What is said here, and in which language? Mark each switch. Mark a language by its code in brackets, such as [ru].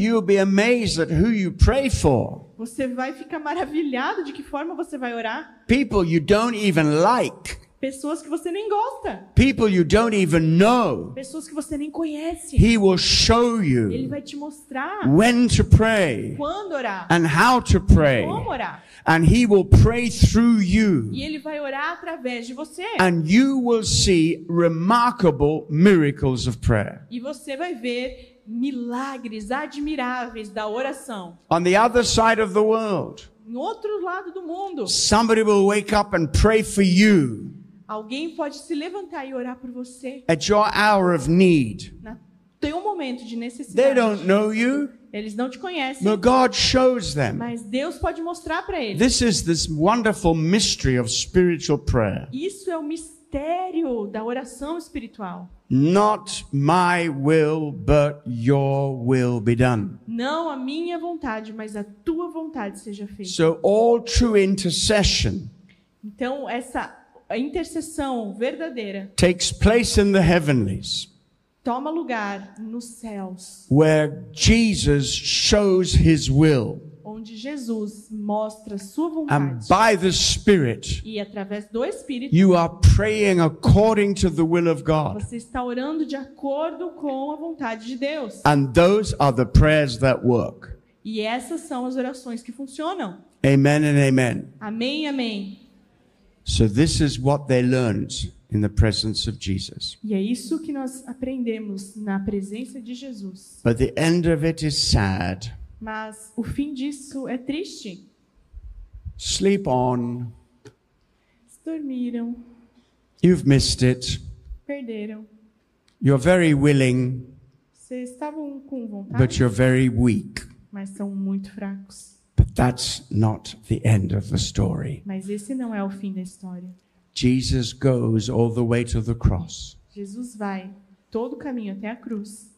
[en] you'll be amazed at who you pray for. [pt] Você vai ficar maravilhado de que forma você vai orar. [en] People you don't even like. [pt] Pessoas que você nem gosta. [en] People you don't even know. [pt] Pessoas que você nem conhece. [en] He will show you. [pt] Ele vai te mostrar. [en] When to pray. [pt] Quando orar. [en] And how to pray. [pt] Como orar. [en] And he will pray through you. [pt] E ele vai orar através de você. [en] And you will see remarkable miracles of prayer. [pt] E você vai ver milagres admiráveis da oração. [en] On the other side of the world. [pt] No outro lado do mundo. [en] Somebody will wake up and pray for you. [pt] Alguém pode se levantar e orar por você. [en] At your hour of need. [pt] No teu momento de necessidade. [en] They don't know you. [pt] Eles não te conhecem. [en] But God shows them. [pt] Mas Deus pode mostrar para eles. [en] This is this wonderful mystery of spiritual prayer. [pt] Isso é o mistério da oração espiritual. [en] Not my will, but your will be done. [pt] Não a minha vontade, mas a tua vontade seja feita. [en] So all true intercession. [pt] Então essa intercessão verdadeira. [en] Takes place in the heavenlies. [pt] Toma lugar nos céus. [en] Where Jesus shows his will. [pt] Onde Jesus mostra sua vontade. [en] And by the Spirit. [pt] E através do Espírito. [en] You are praying according to the will of God. [pt] Você está orando de acordo com a vontade de Deus. [en] And those are the prayers that work. [pt] E essas são as orações que funcionam. [en] Amen and amen. [pt] Amém, amém. [en] So this is what they learned. In the presence of Jesus. [pt] E é isso que nós aprendemos na presença de Jesus. [en] But the end of it is sad. [pt] Mas o fim disso é triste. [en] Sleep on. [pt] Dormiram. [en] You've missed it. [pt] Perderam. [en] You're very willing. [pt] Vocês estavam com vontade. [en] But you're very weak. [pt] Mas são muito fracos. [en] But that's not the end of the story. [pt] Mas esse não é o fim da história. [en] Jesus goes all the way to the cross. [pt] Jesus vai todo o caminho até a cruz.